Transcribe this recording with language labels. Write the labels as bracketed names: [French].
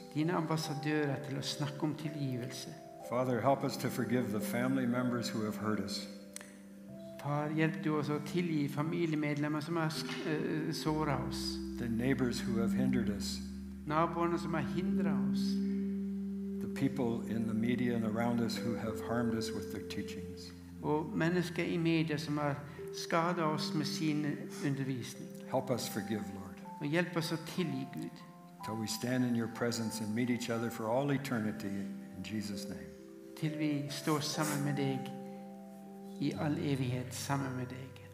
[Norwegian] Dine ambassadører til å snakke om tilgivelse. [English] Father, help us to forgive the family members who have hurt us. [Norwegian] Far, hjelp du oss å tilgi familiemedlemmer som har såret oss. [English] The neighbors who have hindered us. [Norwegian] Naboene som har hindret oss. [English] The people in the media and around us who have harmed us with their teachings. [Norwegian] Og mennesker I media som har skadet oss med sin undervisning. [English] Help us forgive, Lord. [Norwegian] Og hjelp oss å tilgi, Gud. [English] Till we stand in your presence and meet each other for all eternity, in Jesus' name. [Norwegian] Till vi står sammen med dig. I all evighet sammen med deg.